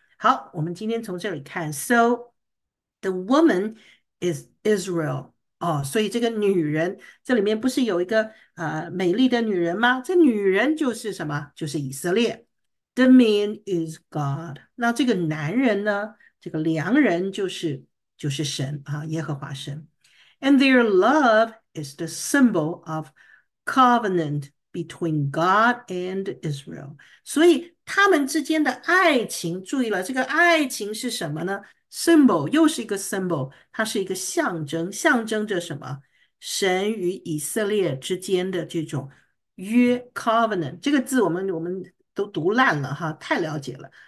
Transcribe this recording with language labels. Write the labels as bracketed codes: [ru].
[zh] 好，我们今天从这里看， [en] So the woman is Israel。 [zh] 哦，所以这个女人，这里面不是有一个美丽的女人吗？这女人就是什么？就是以色列。 [en] The man is God。 [zh] 那这个男人呢？这个良人就是神啊，耶和华神。 [en] And their love is the symbol of covenant between God and Israel。 [zh] 所以他们之间的爱情，注意了，这个爱情是什么呢？ Symbol 又是一个 symbol，它是一个象征，象征着什么？神与以色列之间的这种约 covenant 这个字，我们都读烂了哈，太了解了。